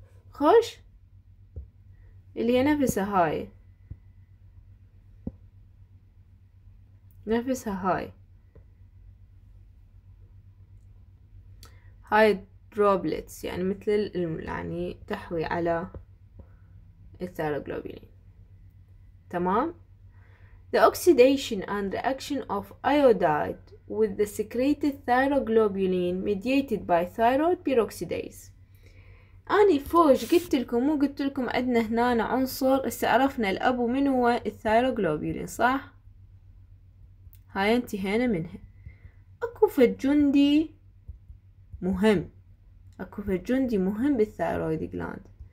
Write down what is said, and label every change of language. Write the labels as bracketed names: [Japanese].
[Arabic] خوش اللي هي نفسها هاي، نفسها هاي هاي دروبلتس، يعني مثل يعني تحوي على الثيروغلوبولين. تمام. [English] The oxidation and reaction of iodide with the secreted thyroglobulin mediated by thyroid peroxidase. [Arabic] أني فوج قلت لكم، مو قلت لكم عندنا هنا عنصر استعرفنا الأبو من هو الثيروغلوبولين، صح؟ هاي انتهينا منها. أكو فد جندي مهم، أكو فد جندي مهم بالثايرويد جلاند.